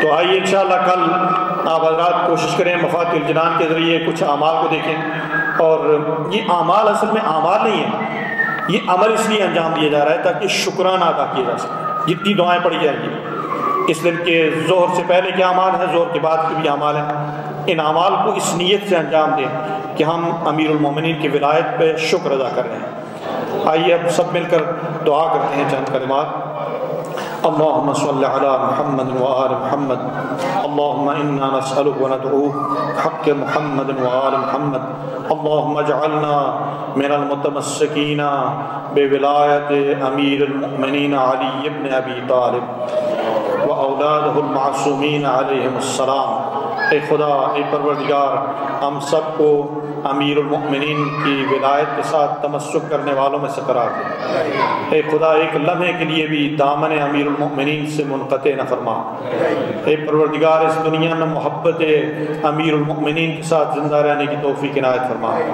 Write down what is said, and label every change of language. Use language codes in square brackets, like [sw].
[ur] تو آئیے انشاءاللہ کل آپ حضرات کوشش کریں مفاتح الجنان کے ذریعے کچھ اعمال کو دیکھیں، اور یہ اعمال اصل میں اعمال نہیں ہیں، یہ عمل اس لیے انجام دیا جا رہا ہے تاکہ شکرانہ ادا کیا جا سکے. جتنی دعائیں پڑھی جائیں گی اس دن کے ظہر سے پہلے کے اعمال ہیں، ظہر کے بعد کے بھی اعمال ہیں، ان اعمال کو اس نیت سے انجام دیں کہ ہم امیر المومنین کی ولایت پہ شکر ادا کر رہے ہیں. آئیے اب سب مل کر دعا کرتے ہیں چند کلمات. [ar] اللهم صل على محمد وآل محمد. اللهم إنا نسألك وندعوك حق محمد وآل محمد. اللهم اجعلنا من المتمسكين بولاية أمير المؤمنين علي بن أبي طالب وأولاده المعصومين عليهم السلام. [ur] اے خدا، اے پروردگار، ہم سب کو امیر المؤمنین کی ولایت کے ساتھ تمسک کرنے والوں میں سے قرار دے. اے خدا، ایک لمحے کے لیے بھی دامن امیر المؤمنین سے منقطع نہ فرما. اے پروردگار، اس دنیا میں محبت امیر المؤمنین کے ساتھ زندہ رہنے کی توفیق عنایت فرما.